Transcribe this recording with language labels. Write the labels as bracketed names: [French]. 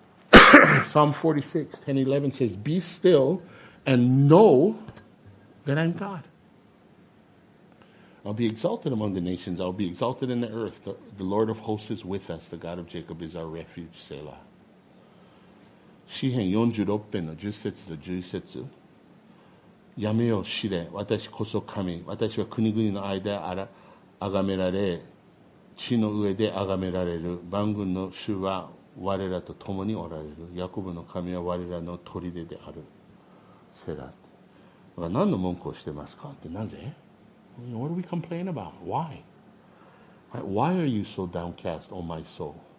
[English] Psalm 46, 10, 11 says, Be still and know that I'm God. I'll be exalted among the nations. I'll be exalted in the earth. The Lord of hosts is with us. The God of Jacob is our refuge, Selah. [Japanese] 詩編46編の10節と11節、やめよ試練、私こそ神、私は国々の間あら崇められ地の上で崇められる、万軍の主は我らと共におられる、ヤコブの神は我らの砦である、セラ。何の文句をしてますかって、なぜ [English] What do we complain about? Why are you so downcast, oh my soul?